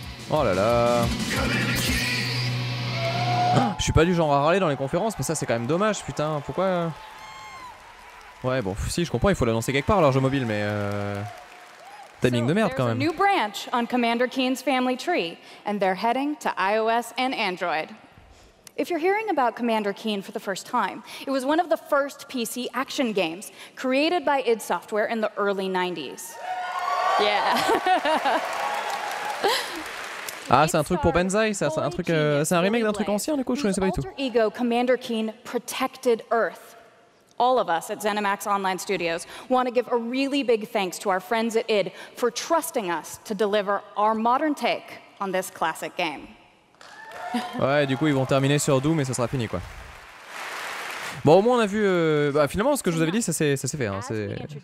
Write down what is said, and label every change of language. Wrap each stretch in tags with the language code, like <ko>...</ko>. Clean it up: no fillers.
<fr>Oh là là... Je suis pas du genre à râler dans les conférences, mais ça c'est quand même dommage, putain, pourquoi... Ouais, bon, si, je comprends, il faut l'annoncer quelque part, leur jeu mobile, mais... Timing de merde, quand même.</fr> <en>New branch on Commander Keen's family tree, and they're heading to iOS and Android. If you're hearing about Commander Keen for the first time, it was one of the first PC action games created by id Software in the early 90s. Yeah.</en> <fr>Ah, c'est un truc pour Banzai, c'est un remake d'un truc ancien, du coup, je connaissais pas du tout.</fr> <en>Alter ego Commander Keen protected Earth. All of us at ZeniMax Online Studios want to give a really big thanks to our friends at id for trusting us to deliver our modern take on this classic game.</en> <fr>Ouais, du coup, ils vont terminer sur Doom et ça sera fini, quoi. Bon, au moins, on a vu... bah, finalement, ce que je vous avais dit, ça s'est fait. Hein, c'est...</fr>